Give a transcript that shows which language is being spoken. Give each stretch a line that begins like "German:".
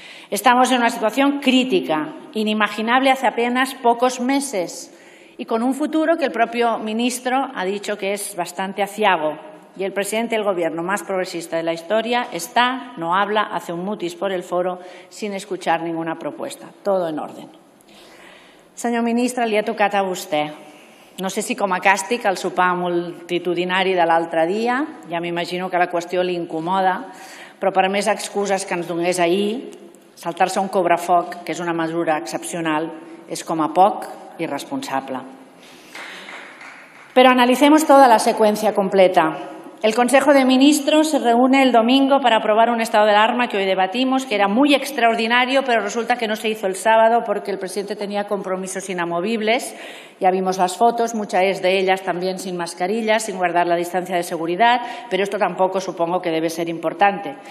Spanish: Estamos en una situación crítica, inimaginable hace apenas pocos meses y con un futuro que el propio ministro ha dicho que es bastante aciago. Y el presidente del Gobierno más progresista de la historia está, no habla, hace un mutis por el foro sin escuchar ninguna propuesta. Todo en orden.
Catalan: Senyor ministre, li ha tocat a vostè. No sé si com a càstig al sopar multitudinari de l'altre dia, ja m'imagino que la qüestió li incomoda, però per més excuses que ens donés ahir, saltar-se un cobrefoc, que és una mesura excepcional, és com a poc irresponsable.
Spanish: Però analicemos toda la secuencia completa. El Consejo de Ministros se reúne el domingo para aprobar un estado de alarma que hoy debatimos, que era muy extraordinario, pero resulta que no se hizo el sábado porque el presidente tenía compromisos inamovibles. Ya vimos las fotos, muchas de ellas también sin mascarillas, sin guardar la distancia de seguridad, pero esto tampoco supongo que debe ser importante.